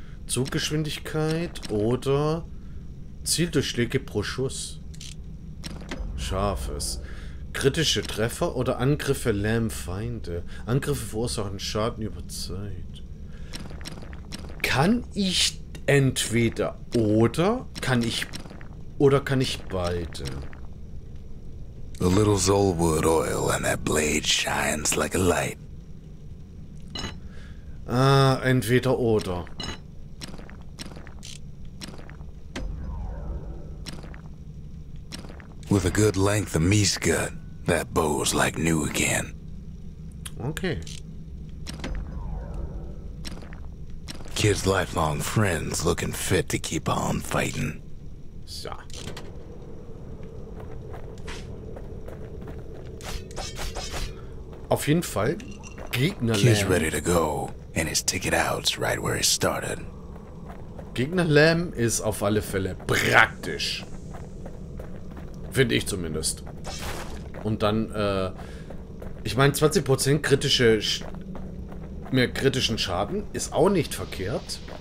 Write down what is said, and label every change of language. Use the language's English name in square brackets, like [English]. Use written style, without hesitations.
[German] Zuggeschwindigkeit oder Zieldurchschläge pro Schuss. Scharfes. Kritische Treffer oder Angriffe lähmen Feinde. Angriffe verursachen Schaden über Zeit. Kann ich entweder oder? Kann ich oder kann ich beide? [English] A little Zolwood oil and that blade shines like a light. [German] Entweder oder. [English] With a good length of Miska, that bow's like new again. [German] Okay. [English] Kid's lifelong friends looking fit to keep on fighting. [German] So. Auf jeden Fall Gegner lähmen. [English] Kid's ready to go, and his ticket out's right where he started. [German] Gegner lähmen ist auf alle Fälle praktisch. Finde ich zumindest. Und dann, ich meine, 20% kritische, mehr kritischen Schaden ist auch nicht verkehrt.